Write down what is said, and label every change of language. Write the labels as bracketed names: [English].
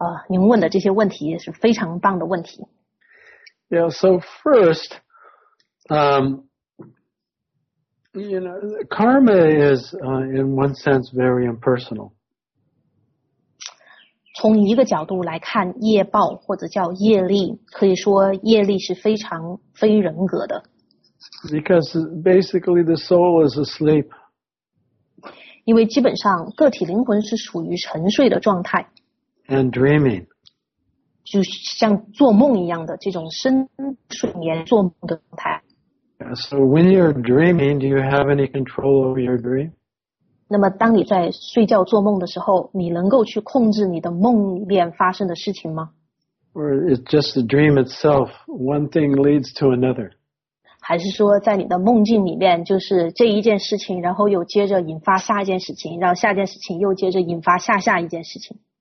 [Chinese] 您问的这些问题也是非常棒的问题。 [English] Yeah, so first, you know, karma is, in one sense, very impersonal. [Chinese] 从一个角度来看，业报或者叫业力，可以说业力是非常非人格的。 [English] Because basically the soul is asleep. [Chinese] 因为基本上个体灵魂是属于沉睡的状态。 [English] And dreaming. [Chinese] 就像做梦一样的这种深睡眠做梦的状态。 [English] So when you're dreaming, do you have any control over your dream? [Chinese] 那么当你在睡觉做梦的时候，你能够去控制你的梦里面发生的事情吗？ [English] Or it's just the dream itself, one thing leads to another. [Chinese] 还是说在你的梦境里面，就是这一件事情，然后又接着引发下一件事情，然后下件事情又接着引发下下一件事情。